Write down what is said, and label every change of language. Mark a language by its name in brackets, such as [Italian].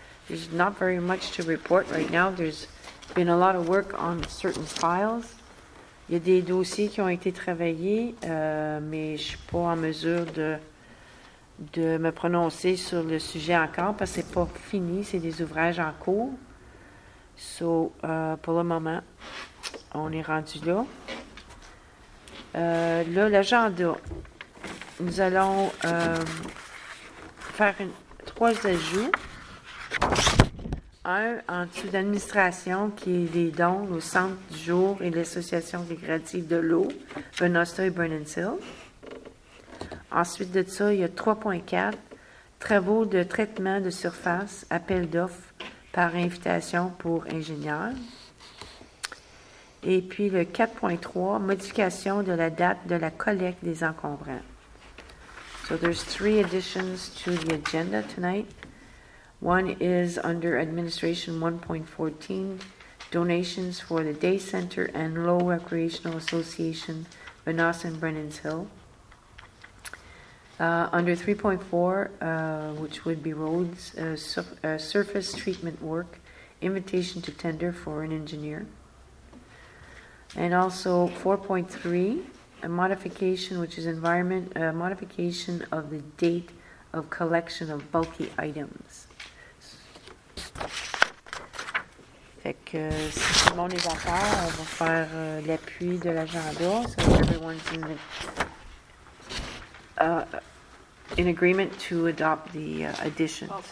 [English] There's not very much to report right now. There's been a lot of work on certain files. [French] Il y a des dossiers qui ont été travaillés, mais je ne suis pas en mesure de me prononcer sur le sujet encore, parce que ce n'est pas fini, c'est des ouvrages en cours. So, pour le moment, on est rendu là. Là, l'agenda, nous allons faire trois ajouts. Un, en dessous d'administration, qui est les dons au Centre du jour et l'Association récréative de l'eau, Venosta et Burnin's Hill. Ensuite de ça, il y a 3.4, travaux de traitement de surface, appel d'offres par invitation pour ingénieurs. Et puis le 4.3, modification de la date de la collecte des encombrants. [English] So there's three additions to the agenda tonight. One is under administration 1.14, donations for the Day Center and Low Recreational Association, Venosta and Brennan's Hill. Under 3.4, which would be roads, surface treatment work, invitation to tender for an engineer. And also 4.3, a modification, which is environment, modification of the date of collection of bulky items. [French] Fait que si tout le monde est d'accord, on va faire l'appui de l'agenda. [English] So everyone's in agreement to adopt the addition.